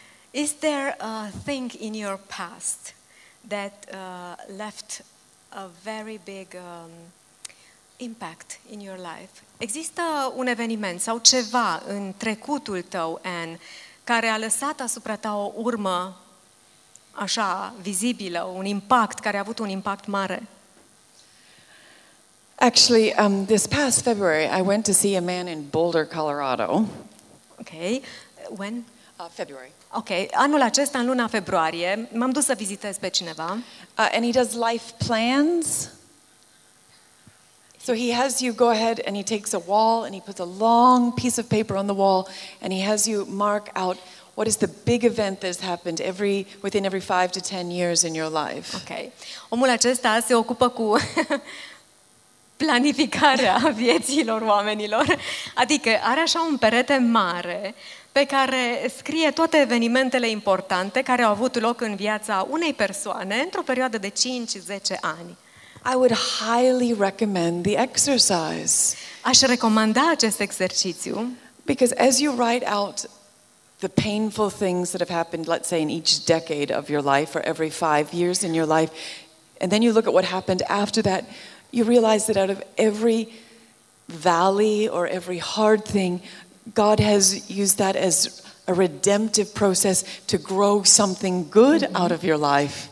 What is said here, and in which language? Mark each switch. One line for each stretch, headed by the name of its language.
English: Is there a thing in your past that left a very big impact in your life?
Romanian: Există un eveniment sau ceva în trecutul tău, Anne, care a lăsat asupra ta o urmă așa vizibilă, un impact care a avut un impact mare?
English: Actually, this past February, I went to see a man in Boulder, Colorado. Okay. When? February. Okay.
Romanian: Anul acesta, în luna februarie, m-am dus să vizitez pe cineva.
English: And he does life plans. So he has you go ahead and he takes a wall and he puts a long piece of paper on the wall and he has you mark out what is the big event that's happened every within every 5 to 10 years in your life. Okay.
Romanian: Omul acesta se ocupă cu planificarea vieților oamenilor. Adică are așa un perete mare pe care scrie toate evenimentele importante care au avut loc în viața unei persoane într-o perioadă de 5-10 ani.
English: I would highly recommend the exercise.
Romanian: Aș recomanda acest exercițiu.
English: Because as you write out the painful things that have happened, let's say in each decade of your life or every 5 years in your life, and then you look at what happened after that, you realize that out of every valley or every hard thing, God has used that as a redemptive process to grow something good out of your life.